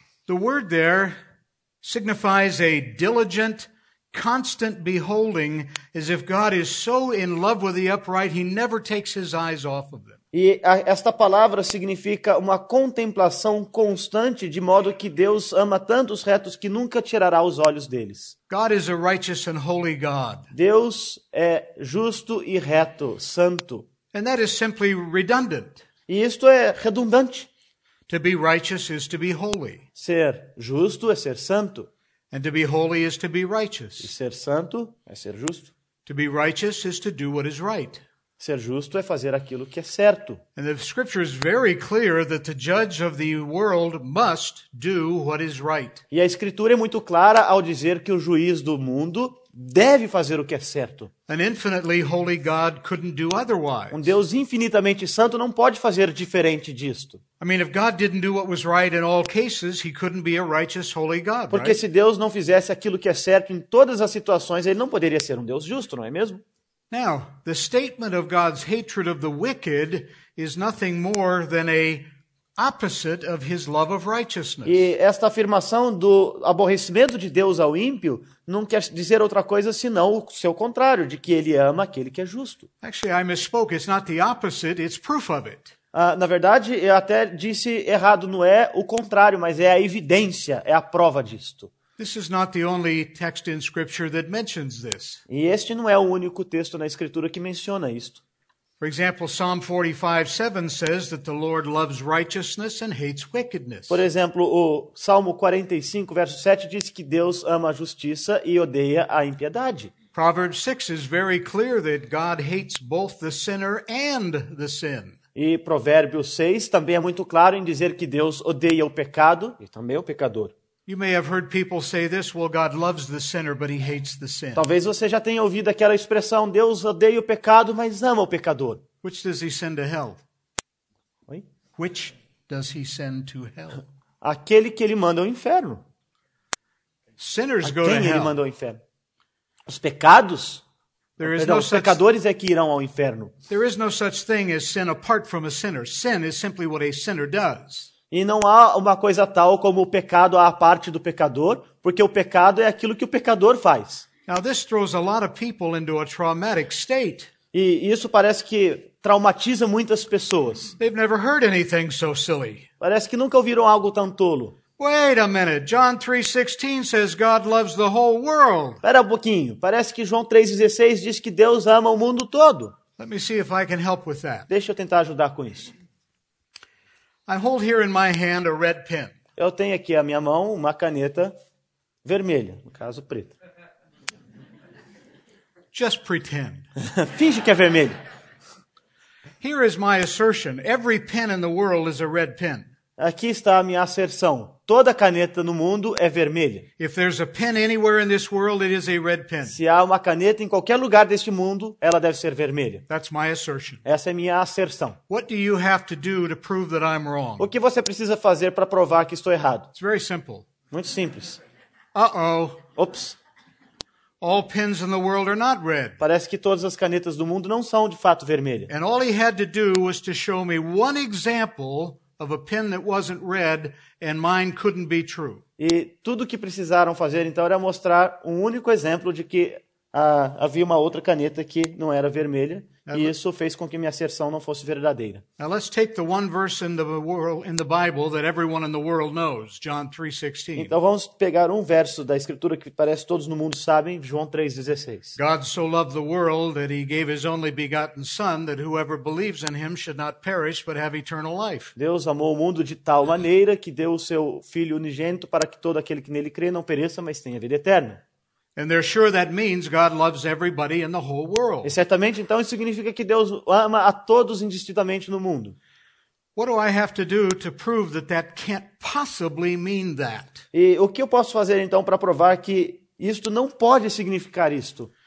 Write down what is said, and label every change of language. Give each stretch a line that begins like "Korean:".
English: The word there signifies a diligent, constant beholding, as if God is so in love with the upright, he never takes his eyes off of them.
Portuguese: E esta palavra significa uma contemplação constante, de modo que Deus ama tanto os retos que nunca tirará os olhos deles.
English: God is a righteous and holy God.
Portuguese: Deus é justo e reto, santo.
English: And that is simply redundant.
Portuguese: E isto é redundante.
English: To be righteous is to be holy.
Portuguese: Ser justo é ser santo.
English: And to be holy is to be righteous.
Portuguese: E ser santo é ser justo.
English: To be righteous is to do what is right.
Portuguese: Ser justo é fazer aquilo que é certo.
English: And the scripture is very clear that the judge of the world must do what is right.
Portuguese: E a escritura é muito clara ao dizer que o juiz do mundo deve fazer o que é certo.
English: An infinitely holy God couldn't do otherwise.
Portuguese: Um Deus infinitamente santo não pode fazer diferente disto.
English: I mean, if God didn't do what was right in all cases, he couldn't be a righteous holy God, right?
Portuguese: Porque se Deus não fizesse aquilo que é certo em todas as situações, ele não poderia ser um Deus justo, não é mesmo?
English: Now, the statement of God's hatred of the wicked is nothing more than a opposite of his love of righteousness.
Portuguese: E esta afirmação do aborrecimento de Deus ao ímpio não quer dizer outra coisa senão o seu contrário, de que ele ama aquele que é justo.
English: Actually, I misspoke. It's not the opposite, it's proof of it.
Portuguese: Na verdade, eu até disse errado, não é o contrário, mas é a evidência, é a prova disto.
English: This is not the only text in Scripture that mentions this.
Portuguese: E este não é o único texto na Escritura que menciona isto.
English: For example, Psalm 45:7 says that the Lord loves righteousness and hates wickedness.
Portuguese: Por exemplo, o Salmo 45, verso 7 diz que Deus ama a justiça e odeia a impiedade.
English: Proverbs 6 is very clear that God hates both the sinner and the sin.
Portuguese: E Provérbios 6 também é muito claro em dizer que Deus odeia o pecado e também o pecador.
English: You may have heard people say this, well, God loves the sinner, but he hates the sin.
Portuguese: Talvez você já tenha ouvido aquela expressão, Deus odeia o pecado, mas ama o pecador.
English: Which does he send to hell?
Portuguese: Oi?
English: Which does he send to hell?
Portuguese: Aquele que ele manda ao inferno.
English: Sinners a go to hell.
Portuguese: Quem ele manda ao inferno? Os pecados?
English: There is no such...
Portuguese: pecadores é que irão ao inferno.
English: There is no such thing as sin apart from a sinner. Sin is simply what a sinner does.
Portuguese: E não há uma coisa tal como o pecado à parte do pecador, porque o pecado é aquilo que o pecador faz.
English: Now, this throws a lot of people into a traumatic state.
Portuguese: E isso parece que traumatiza muitas pessoas.
English: They've never heard anything so silly.
Portuguese: Parece que nunca ouviram algo tão tolo.
English: Wait a minute. John 3:16 says God loves the whole world.
Portuguese: Espera um pouquinho. Parece que João 3:16 diz que Deus ama o mundo todo.
English: Let me see if I can help with that.
Portuguese: Deixa eu tentar ajudar com isso.
English: I hold here in my hand a red pen.
Portuguese: Eu tenho aqui à minha mão uma caneta vermelha, no caso preta.
English: Just pretend.
Portuguese: Finge que é vermelho.
English: Here is my assertion. Every pen in the world is a red pen.
Portuguese: Aqui está a minha asserção. Toda caneta no mundo é vermelha.
English: If there's a pen anywhere in this world, it is a red pen.
Portuguese: Se há uma caneta em qualquer lugar deste mundo, ela deve ser vermelha.
English: That's my assertion.
Portuguese: Essa é minha asserção.
English: What do you have to do to prove that I'm wrong?
Portuguese: O que você precisa fazer para provar que estou errado?
English: It's very simple.
Portuguese: Muito simples. Uh-oh. Ops.
English: All pens in the world are not red.
Portuguese: Parece que todas as canetas do mundo não são de fato vermelhas.
English: And all he had to do was to show me one example of a pen that wasn't red and mine couldn't be true.
Portuguese: E tudo que precisaram fazer então era mostrar um único exemplo de que havia uma outra caneta que não era vermelha e isso fez com que minha asserção não fosse verdadeira.
English: Now let's take the one verse in the Bible that everyone in the world knows, John 3:16.
Portuguese: Então vamos pegar um verso da escritura que parece todos no mundo sabem, João 3:16.
English: God so loved the world that he gave his only begotten son that whoever believes in him should not perish but have eternal life.
Portuguese: Deus amou o mundo de tal maneira que deu o seu filho unigênito para que todo aquele que nele crê não pereça, mas tenha vida eterna.
English: And they're sure that means God loves everybody in the whole world.
Portuguese: E certamente então isso significa que Deus ama a todos indistintamente no mundo.
English: What do I have to do to prove that that can't possibly mean that?
Portuguese: E o que eu posso fazer então para provar que isto não pode significar isto?